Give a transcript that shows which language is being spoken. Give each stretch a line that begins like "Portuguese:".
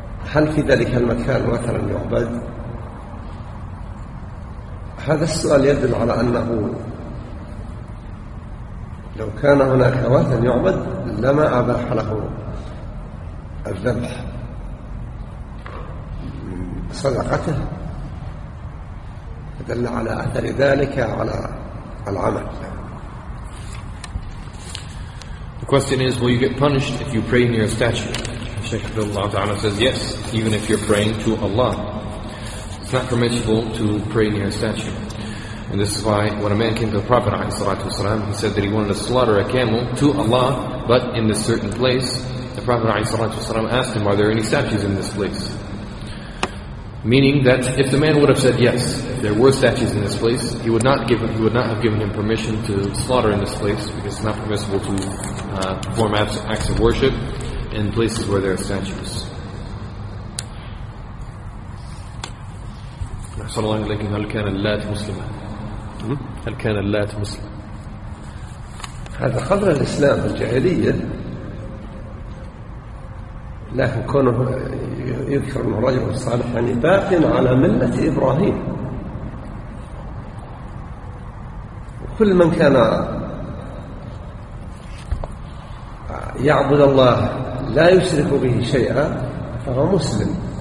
Arabic: هل في ذلك المكان مثلا يعبد؟ هذا السؤال يدل على أنه لو كان هناك وثن يعبد لما أباح له الذبح صدقته، يدل على أثر ذلك على العمل.
English: The question is, will you get punished if you pray near a statue? Shaykh Abdullah Ta'ala says, yes, even if you're praying to Allah. It's not permissible to pray near a statue. And this is why when a man came to the Prophet ﷺ, he said that he wanted to slaughter a camel to Allah, but in this certain place. The Prophet ﷺ asked him, are there any statues in this place? Meaning that if the man would have said yes, there were statues in this place, he would not have given him permission to slaughter in this place, because it's not permissible to perform acts of worship in places where there are statues.
Arabic: صلى الله عليه وسلم، هل كان اللات مسلما؟ هل كان اللات مسلما؟ هذا قبل الإسلام الجاهلية، لكن كونه يذكر أنه رجل صالح يعني باق على ملة إبراهيم، وكل من كان يعبد الله لا يشرك به شيئا فهو مسلم.